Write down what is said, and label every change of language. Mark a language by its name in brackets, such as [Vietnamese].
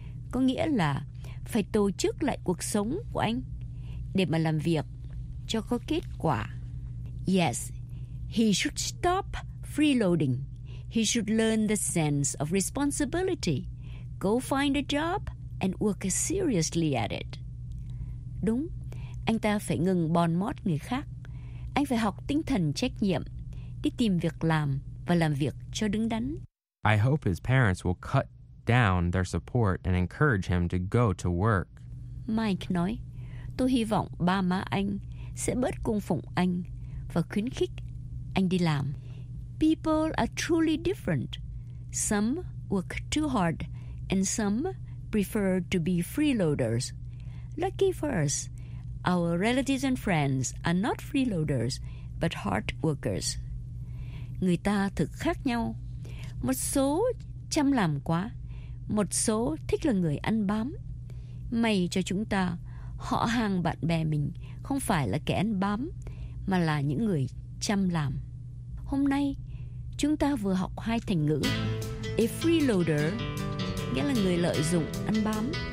[Vietnamese] Có nghĩa là phải tổ chức lại cuộc sống của anh để mà làm việc cho có kết quả. [English] Yes, he should stop freeloading. He should learn the sense of responsibility. Go find a job and work seriously at it. [Vietnamese] Đúng, anh ta phải ngừng bòn mót người khác. Anh phải học tinh thần trách nhiệm, đi tìm việc làm và làm việc cho đứng đắn. [English] I hope his parents will cut down their support and encourage him to go to work. [Vietnamese] Mike nói, tôi hy vọng ba má anh sẽ bớt cung phụng anh và khuyến khích anh đi làm. [English] People are truly different. Some work too hard and some prefer to be freeloaders. Lucky for us, our relatives and friends are not freeloaders, but hard workers. [Vietnamese] Người ta thực khác nhau. Một số chăm làm quá, một số thích là người ăn bám. May cho chúng ta, họ hàng bạn bè mình không phải là kẻ ăn bám, mà là những người chăm làm. Hôm nay, chúng ta vừa học hai thành ngữ. A freeloader, nghĩa là người lợi dụng, ăn bám.